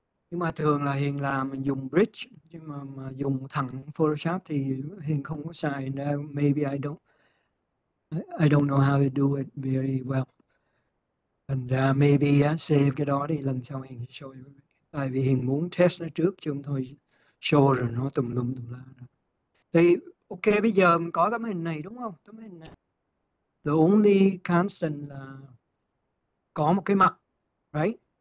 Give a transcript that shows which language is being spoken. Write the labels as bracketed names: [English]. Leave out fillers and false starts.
[Vietnamese] Nhưng mà thường là Hiền làm mình dùng Bridge, nhưng mà dùng thẳng Photoshop thì Hiền không có xài. [English] Maybe I don't know how to do it very well. And maybe save [Vietnamese] cái đó đi, lần sau Hiền [English] show you. [Vietnamese] Tại vì Hiền muốn test nó trước chứ không thôi show rồi nó tùm lum tùm la. Thì ok, bây giờ mình có tấm hình này đúng không? Tấm hình này. [English] The only constant [Vietnamese] là có một cái mặt, right?